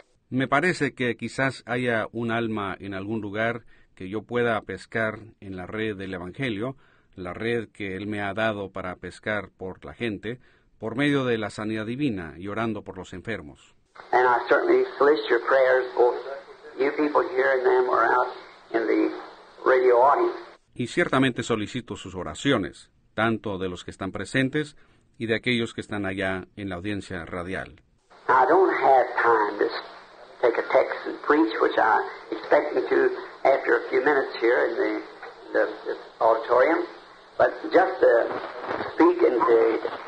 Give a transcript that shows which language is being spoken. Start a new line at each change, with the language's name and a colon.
Spanish: Me parece que quizás haya un alma en algún lugar que yo pueda pescar en la red del Evangelio, la red que Él me ha dado para pescar por la gente, por medio de la sanidad divina y orando por los enfermos.
English: And I certainly solicit your prayers, both you people here and them or out in the radio audience.
Spanish: Y ciertamente solicito sus oraciones, tanto de los que están presentes y de aquellos que están allá en la audiencia radial.
English: I don't have time to take a text and preach, which I expect me to after a few minutes here in the auditorium, but just to speak and to